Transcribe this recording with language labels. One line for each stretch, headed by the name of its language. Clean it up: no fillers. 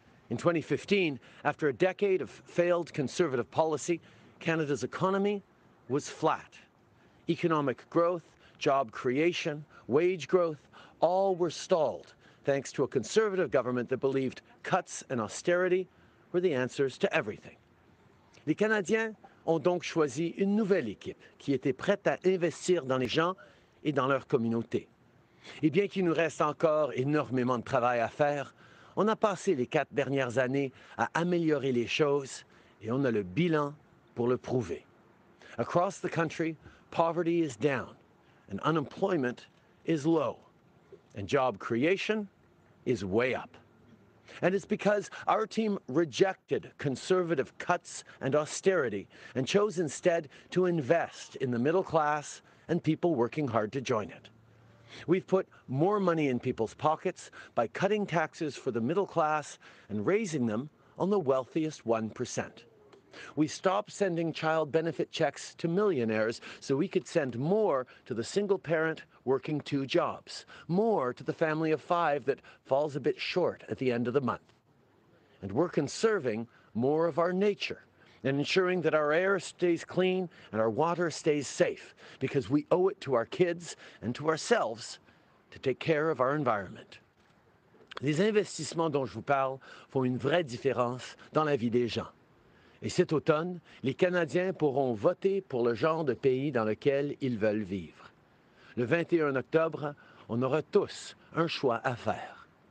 English: In 2015, after a decade of failed conservative policy, Canada's economy was flat. Economic growth, job creation, wage growth, all were stalled thanks to a conservative government that believed cuts and austerity were the answers to everything.
French: Les Canadiens ont donc choisi une nouvelle équipe qui était prête à investir dans les gens et dans leur communauté. Et bien qu'il nous reste encore énormément de travail à faire, on a passé les quatre dernières années à améliorer les choses et on a le bilan pour le prouver.
English: Across the country, poverty is down and unemployment is low and job creation is way up. And it's because our team rejected conservative cuts and austerity and chose instead to invest in the middle class and people working hard to join it. We've put more money in people's pockets by cutting taxes for the middle class and raising them on the wealthiest 1%. We stopped sending child benefit checks to millionaires so we could send more to the single parent working two jobs, more to the family of five that falls a bit short at the end of the month. And we're conserving more of our nature and ensuring that our air stays clean and our water stays safe because we owe it to our kids and to ourselves to take care of our environment.
French: Les investissements dont je vous parle font une vraie différence dans la vie des gens. Et cet automne, les Canadiens pourront voter pour le genre de pays dans lequel ils veulent vivre. Le 21 octobre, on aura tous un choix à faire.